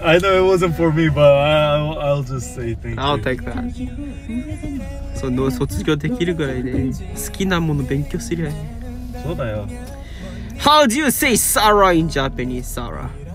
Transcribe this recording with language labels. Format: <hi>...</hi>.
<en>I know it wasn't for me, but I'll just say thank you. I'll take that.</en> <ja>その卒業できるぐらいで好きなもの勉強すりゃ。</ja> <en>How do you say Sarah in Japanese, Sarah?</en>